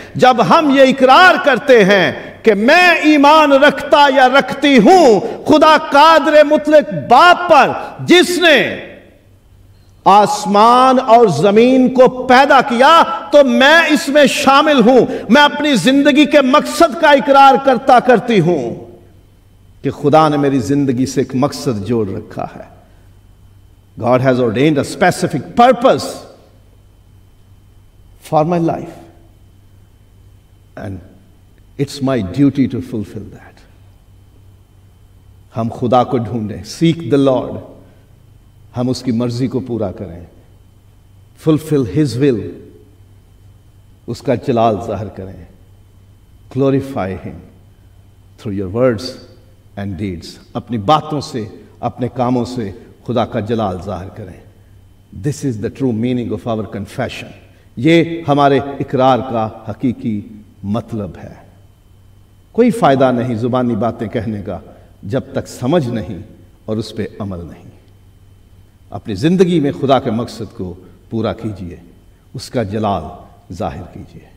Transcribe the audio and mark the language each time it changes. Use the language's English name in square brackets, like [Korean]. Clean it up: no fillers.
[Urdu] جب ہم یہ اقرار کرتے ہیں کہ میں ایمان رکھتا یا رکھتی ہوں خدا قادر مطلق باپ پر, جس نے آسمان اور زمین کو پیدا کیا, تو میں اس میں شامل ہوں. میں اپنی زندگی کے مقصد کا اقرار کرتا کرتی ہوں کہ خدا نے میری زندگی سے ایک مقصد جوڑ رکھا ہے. [English] God has ordained a specific purpose for my life and it's my duty to fulfill that. [Urdu] ہم خدا کو ڈھونڈیں, [English] seek the Lord, [Urdu] ہم اس کی مرضی کو پورا کریں, [English] fulfill his will, [Urdu] اس کا جلال ظاہر کریں, [English] glorify him through your words and deeds, [Urdu] اپنی باتوں سے, اپنے کاموں سے خدا کا جلال ظاہر کریں. [English] This is the true meaning of our confession. [Urdu] یہ ہمارے اقرار کا حقیقی مطلب ہے. کوئی فائدہ نہیں زبانی باتیں کہنے کا جب تک سمجھ نہیں اور اس پہ عمل نہیں. اپنی زندگی میں خدا کے مقصد کو پورا کیجئے, اس کا جلال ظاہر کیجئے.